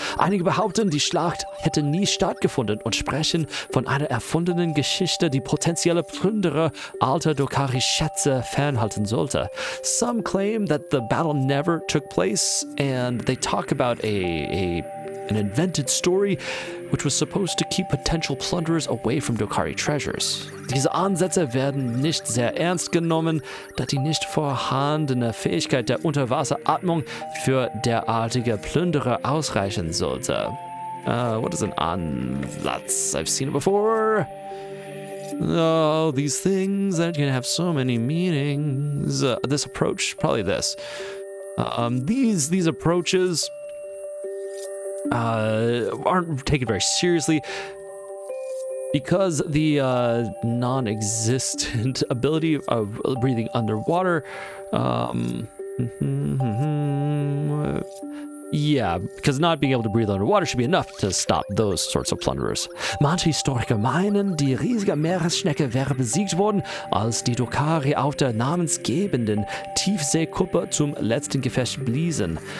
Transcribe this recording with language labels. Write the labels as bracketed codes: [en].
[de] Einige behaupten, die Schlacht hätte nie stattgefunden und sprechen von einer erfundenen Geschichte, die potenzielle Plünderer alter Dokari-Schätze fernhalten sollte. [en] Some claim that the battle never took place, and they talk about an invented story which was supposed to keep potential plunderers away from Dokari treasures. [de] Diese Ansätze werden nicht sehr ernst genommen, da die nicht vorhandene Fähigkeit der Unterwasseratmung für derartige Plünderer ausreichen sollte. [en] What is an Ansatz? I've seen it before. Oh, these things that can have so many meanings. This approach, probably this. These approaches aren't taken very seriously because the non-existent ability of breathing underwater, because not being able to breathe underwater should be enough to stop those sorts of plunderers. [de] Manche Historiker meinen, die riesige Meeresschnecke wäre besiegt worden, als die Dokari auf der namensgebenden Tiefseekuppe zum letzten Gefecht bliesen.